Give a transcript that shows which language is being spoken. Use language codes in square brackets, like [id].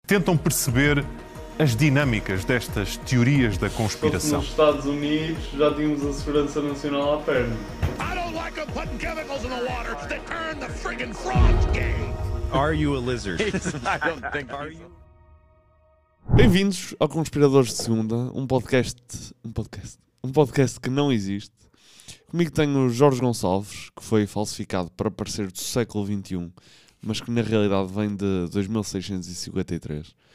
[pt] tentam perceber as dinâmicas destas teorias da conspiração. Nos Estados Unidos já tínhamos a segurança nacional à perna. [en] I don't like them putting chemicals in the water that turn the friggin' frogs gay. Are you a lizard? I don't think are you. [pt] Bem-vindos ao Conspiradores de Segunda, um podcast que não existe. Comigo tenho o Jorge Gonçalves, que foi falsificado para parecer do século XXI, mas que na realidade vem de 2653.